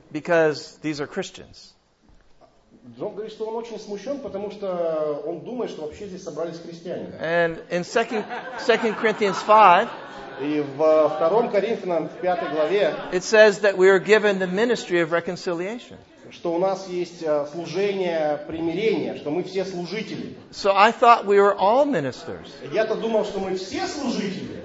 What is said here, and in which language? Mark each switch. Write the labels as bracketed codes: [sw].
[en] Because these are Christians. [ru] Джон говорит, что он очень смущен, потому что он думает, что вообще здесь собрались христиане. [en] And in 2 Corinthians 5, [ru] и в 2 Коринфянам, в 5 главе, [en] it says that we are given the ministry of reconciliation. [ru] Что у нас есть служение примирения, что мы все служители. [en] So I thought we were all ministers. [ru] Я-то думал, что мы все служители.